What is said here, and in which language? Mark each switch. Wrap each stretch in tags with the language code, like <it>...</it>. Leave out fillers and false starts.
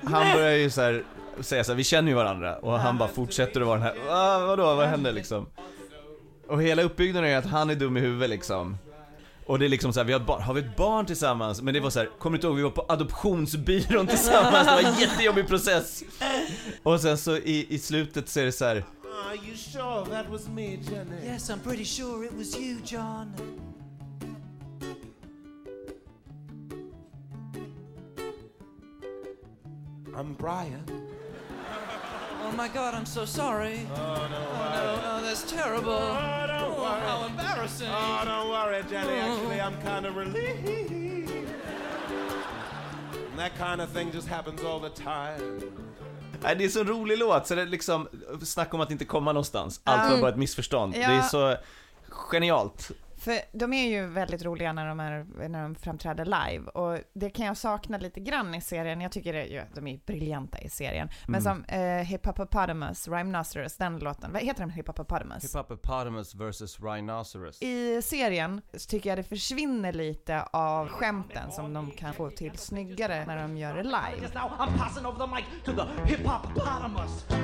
<sv>Han börjar ju så här, säga så här, vi känner ju varandra. Och han bara fortsätter att vara den här, vadå, vad händer liksom? Och hela uppbyggnaden är att han är dum i huvudet liksom. Och det är liksom så här, vi har, har vi ett barn tillsammans? Men det var så här, kommer du inte ihåg, vi var på adoptionsbyrån tillsammans. Det var en jättejobbig process. Och sen så i slutet så är det så här.</sv> <en>Are you sure that was me, Jenny? Yes, I'm pretty sure it was you, John. I'm Brian. Oh my god, I'm so sorry. Oh no, that's terrible. Oh, don't worry. How embarrassing. Oh, don't worry, Jenny. Actually, I'm kind of relieved. And that kind of thing just happens all the time.</en> <sv>Nej, det är så en rolig låt, så det är liksom, snack om att inte komma någonstans. Allt var bara ett missförstånd. Ja. Det är så genialt. För de är ju väldigt roliga när de framträder live. Och det kan jag sakna lite grann i serien. Jag tycker att de är briljanta i serien. Men som Hippopotamus, Rhinoceros, den låten. Vad heter den, Hippopotamus? Hippopotamus versus Rhinoceros. I serien så tycker jag det försvinner lite av skämten som de kan få till snyggare när de gör det live.</sv> <en>I'm passing over the mic to the Hippopotamus.</en>